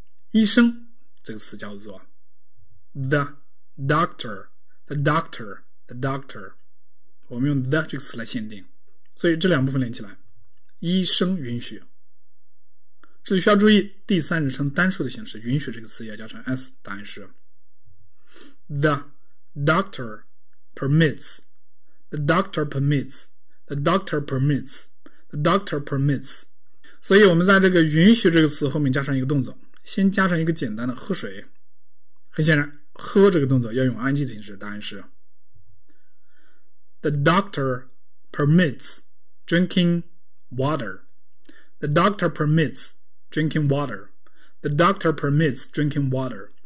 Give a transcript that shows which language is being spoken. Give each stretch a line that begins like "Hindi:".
Chinese: 医生这个词叫做
English: The doctor, the doctor, the doctor.
Chinese: 我们用 the 这个词来限定，所以这两部分连起来，医生允许。这里需要注意第三人称单数的形式，允许这个词要加成 s。答案是
English: the doctor permits, the doctor permits, the doctor permits, the doctor permits.
Chinese: 所以我们在这个允许这个词后面加上一个动作，先加上一个简单的喝水。很显然。喝这个动作要用 ing 形式，答案是
English: The doctor permits drinking water. The doctor permits drinking water. The doctor permits drinking water.